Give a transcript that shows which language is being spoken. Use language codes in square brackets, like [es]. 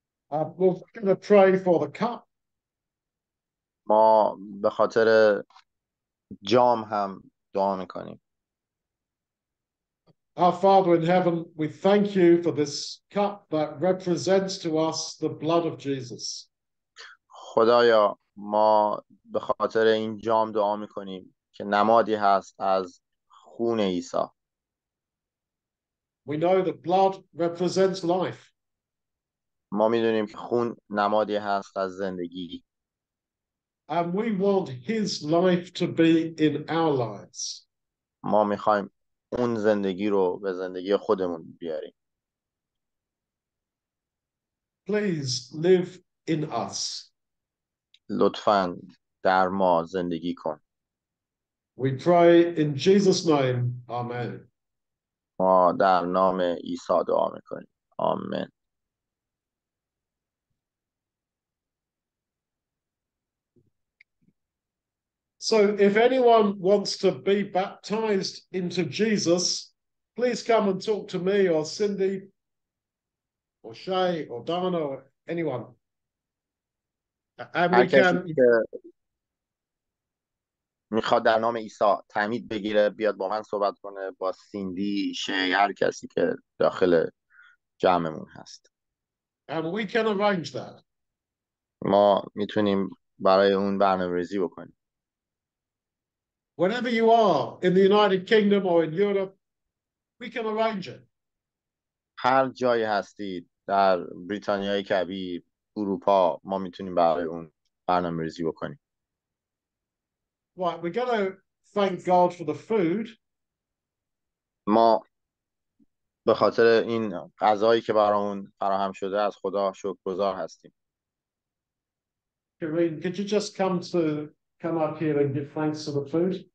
[en] We're going to pray for the cup. [fa] ما به خاطر جام هم دعا می‌کنیم. [en] Our Father in heaven, we thank you for this cup that represents to us the blood of Jesus. [fa] خدایا ما به خاطر این جام دعا می‌کنیم که نمادی هست از خون عیسی. [en] We know that blood represents life. [fa] ما می‌دونیم که خون نمادی هست از زندگی. [en] And we want his life to be in our lives. [fa] ما می‌خوایم اون زندگی رو به زندگی خودمون بیاریم. [en] Please live in us. [fa] لطفاً در ما زندگی کن. [en] We pray in Jesus' name. Amen. [fa] ما در نام عیسی دعا می‌کنیم. آمین. [en] So if anyone wants to be baptized into Jesus, please come and talk to me or Cindy or Shay or Dana or anyone. [fa] هر کسی که میخواد در نام عیسی تعمید بگیره بیاد با من صحبت کنه، با سیندی، شی، هر کسی که داخل جمعمون هست. [en] And we can arrange that. [fa] ما میتونیم برای اون برنامه‌ریزی بکنیم. [en] Whenever you are in the United Kingdom or in Europe, we can arrange it. [fa] هر جایی هستید در بریتانیای کبیر، اروپا، ما میتونیم برای اون برنامه‌ریزی بکنیم. [en] Right, we're going to thank God for the food. [fa] ما به خاطر این غذایی که برامون فراهم شده از خدا شکرگزار هستیم. [en] Kareen, could you just come up here and give thanks for the food?